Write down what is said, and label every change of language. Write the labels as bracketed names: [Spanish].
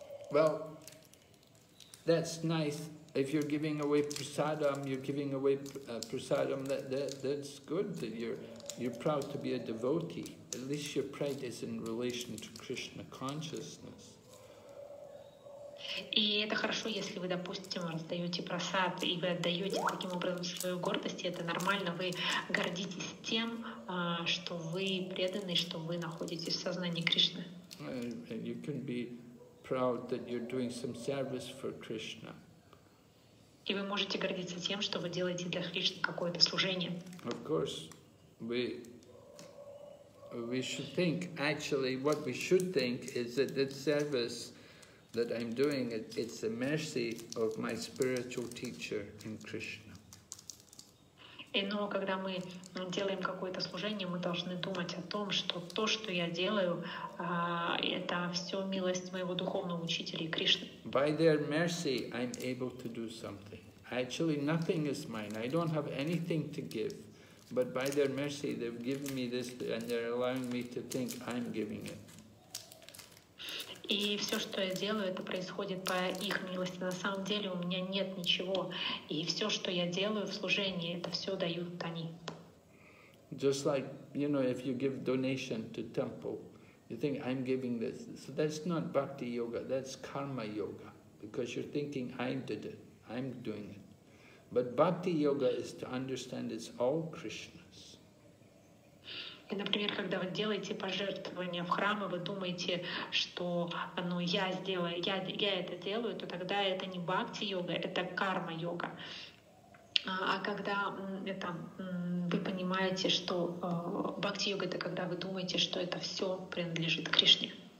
[English] Well, that's nice. If you're giving away prasadam, that's good. That you're proud to be a devotee. At least your pride is in relation to Krishna consciousness. [Russian] И это хорошо, если вы, допустим, раздаете просад, и вы отдаете таким образом свою гордость, и это нормально, вы гордитесь тем, что вы преданы, что вы находитесь в сознании Кришны. [English] You can be proud that you're doing some service for Krishna. [Russian] И вы можете гордиться тем, что вы делаете для Кришны какое-то служение. [English] Of course, we should think, actually, what we should think is that this service that I'm doing, it's a mercy of my spiritual teacher in Krishna. [Russian] И, но когда мы делаем какое-то служение, мы должны думать о том, что то, что я делаю, это все милость моего духовного учителя Кришны. [English] By their mercy, I'm able to do something. Actually, nothing is mine. I don't have anything to give. But by their mercy, they've given me this, and they're allowing me to think I'm giving it. [Russian] И все, что я делаю, это происходит по их милости. На самом деле у меня нет ничего, и все, что я делаю в служении, это все дают они. [English] Just like, you know, if you give donation to temple, you think I'm giving this. So that's not bhakti yoga, that's karma yoga, because you're thinking I did it, I'm doing it. But bhakti yoga is to understand it's all Krishna's. [Russian] И, например, когда вы делаете пожертвование в храм, вы думаете, что, ну, я сделаю, я это делаю, то тогда это не бхакти йога, это карма йога. А когда это вы понимаете, что бхакти йога — это когда вы думаете, что это все принадлежит Кришне.